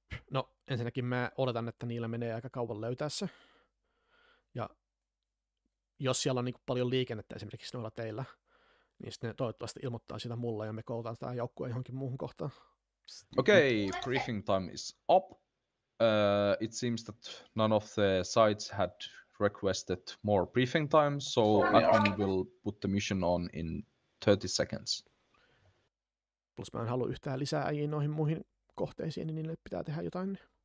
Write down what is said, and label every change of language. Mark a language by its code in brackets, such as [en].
[fi] No, ensinnäkin mä oletan, että niillä menee aika kauan löytää se. Ja jos siellä on niin paljon liikennettä esimerkiksi noilla teillä, niin sitten ne toivottavasti ilmoittaa sitä mulle ja me koulutaan tämä joukkue johonkin muuhun kohtaan. [en] Okei, okay, briefing time is up. It seems that none of the sites had requested more briefing time, so admin will put the mission on in 30 seconds. [fi] Plus mä en halua yhtään lisää äijiä noihin muihin kohteisiin, niin niille pitää tehdä jotain.